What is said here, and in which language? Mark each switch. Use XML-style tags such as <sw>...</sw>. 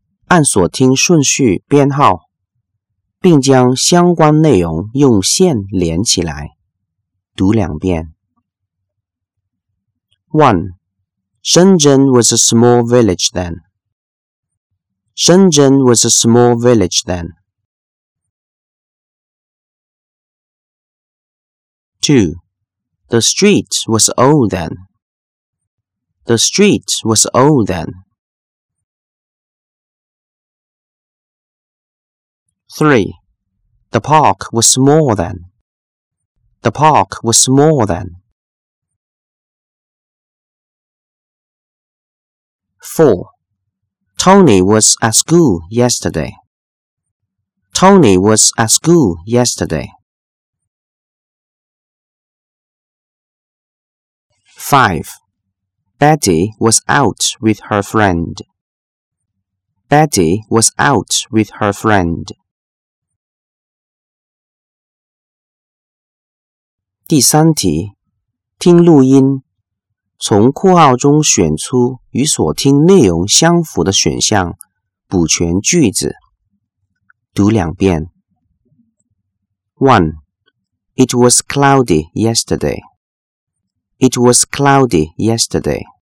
<zh>按所听顺序编号，并将相关内容用线连起来，读两遍。</zh> <en>1. Shenzhen was a small village then. Shenzhen was a small village then. 2. The street was old then. The street was old then. 3. The park was small then. The park was small then. 4. Tony was at school yesterday. Tony was at school yesterday. 5. Betty was out with her friend. Betty was out with her friend.</en> <zh>第三题，听录音，从括号中选出与所听内容相符的选项，补全句子，读两遍。</zh> <en>1. It was cloudy yesterday. It was cloudy yesterday.</en>